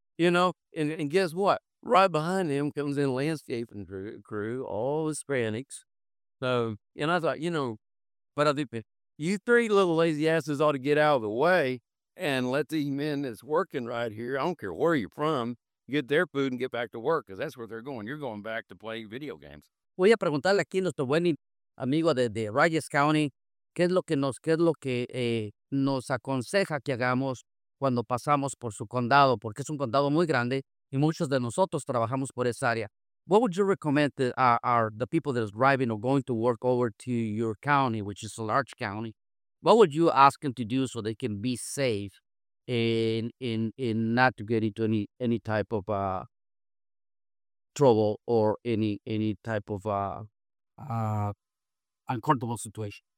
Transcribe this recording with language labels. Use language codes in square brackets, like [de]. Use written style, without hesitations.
[en] You know, and guess what? Right behind him comes in landscaping crew, all Hispanics. So, and I thought, you know, but I think you three little lazy asses ought to get out of the way and let these men that's working right here, I don't care where you're from, get their food and get back to work, because that's where they're going. You're going back to play video games. [es] Voy a preguntarle aquí a nuestro buen amigo de Rogers County, ¿qué es lo que nos aconseja que hagamos cuando pasamos por su condado, porque es un condado muy grande y muchos de nosotros trabajamos por esa área. [en] What would you recommend to the people that are driving or going to work over to your county, which is a large county? What would you ask them to do so they can be safe in not to get into any type of trouble or any type of uncomfortable situation?